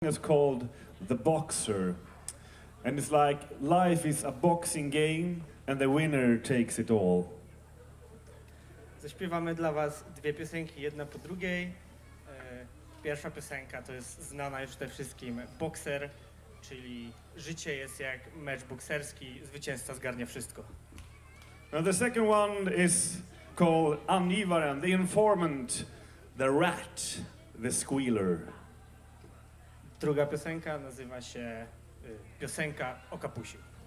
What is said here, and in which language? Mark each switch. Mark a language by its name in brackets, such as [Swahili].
[English] It's called The Boxer, and it's like life is a boxing game and the winner takes it all. [Polish] Zaśpiewamy dla was dwie piosenki, jedna po drugiej. Pierwsza piosenka to jest znana już przede wszystkim Boxer, czyli życie jest jak mecz bokserski, zwycięzca zgarnia wszystko. [English] Now the second one is called Anivaran, the informant, the rat, the squealer. [Polish] Druga piosenka nazywa się Piosenka o kapusiu.